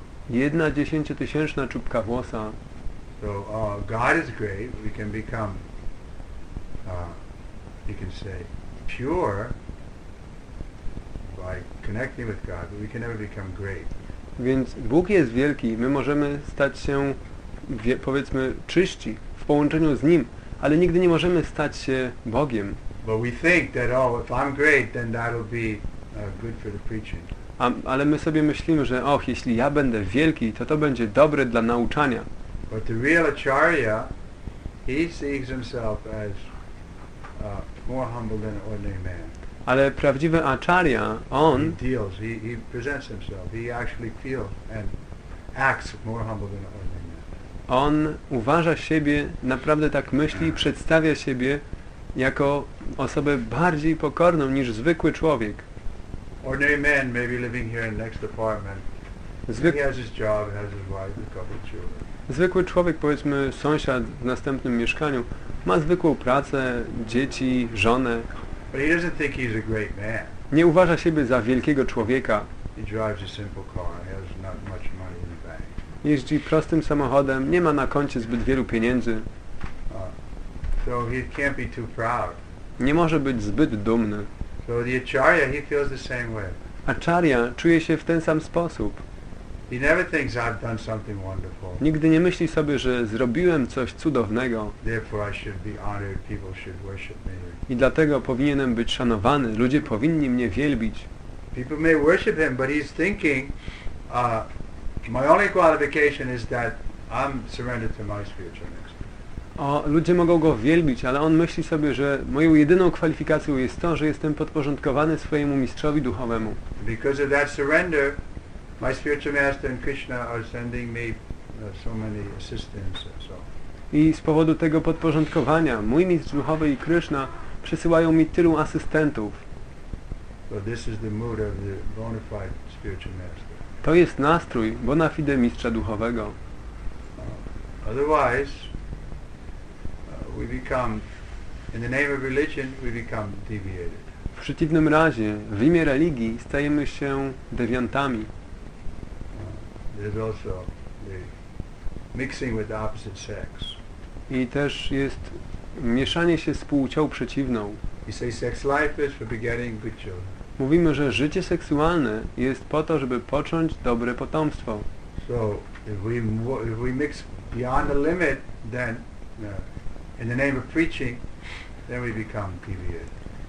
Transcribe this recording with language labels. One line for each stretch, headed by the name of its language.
Polish: Jedna dziesięciotysięczna czubka włosa.
English: So, God is great. We can become, you can say, pure by connecting with God, but we can never become great.
Polish: Więc Bóg jest wielki. My możemy stać się, powiedzmy, czyści w połączeniu z Nim, ale nigdy nie możemy stać się Bogiem.
English: But we think that if I'm great, then that'll be good for the preaching.
Polish: Ale my sobie myślimy, że jeśli ja będę wielki, to będzie dobre dla nauczania.
English: But the real acharya, he sees himself as more humble than an ordinary man.
Polish: Ale prawdziwy acharya, on.
English: He presents himself. He actually feels and acts more humble than an ordinary man.
Polish: On uważa siebie, naprawdę tak myśli i przedstawia siebie jako osobę bardziej pokorną niż zwykły człowiek.
English: Ordinary man may be living here in next apartment. He has his job, has his wife, a couple children.
Polish: Zwykły człowiek, powiedzmy sąsiad w następnym mieszkaniu, ma zwykłą pracę, dzieci, żonę.
English: But he doesn't think he's a great man.
Polish: Nie uważa siebie za wielkiego człowieka.
English: He drives a simple car. He has not much money in the bank.
Polish: Jeździ prostym samochodem, nie ma na koncie zbyt wielu pieniędzy.
English: So he can't be too proud.
Polish: Nie może być zbyt dumny.
English: So the acharya, he feels the same way.
Polish: Acharya czuje się w ten sam sposób.
English: He never thinks I've done something wonderful.
Polish: Nigdy nie myśli sobie, że zrobiłem coś cudownego.
English: Therefore I should be honored. People should worship me.
Polish: I dlatego powinienem być szanowany. Ludzie powinni mnie wielbić.
English: People may worship him, but he's thinking, my only qualification is that I'm surrendered to my spiritual master.
Polish: O, ludzie mogą go wielbić, ale on myśli sobie, że moją jedyną kwalifikacją jest to, że jestem podporządkowany swojemu mistrzowi duchowemu.
English: Because of that surrender, my spiritual master and Krishna are sending me so many assistants.
Polish: I z powodu tego podporządkowania, mój mistrz duchowy i Krishna przysyłają mi tylu asystentów.
English: So this is the mood of the bona fide spiritual master.
Polish: To jest nastrój bona fide mistrza duchowego.
English: Otherwise, we become, in the name of religion, we become deviated.
Polish: W przeciwnym razie, w imię religii, stajemy się dewiantami.
English: There's also the mixing with the opposite sex.
Polish: I też jest mieszanie się z płcią przeciwną.
English: You say sex life is for begetting good children.
Polish: Mówimy, że życie seksualne jest po to, żeby począć dobre potomstwo.
English: So, if we mix beyond the limit, then in the name of preaching, then we become deviated.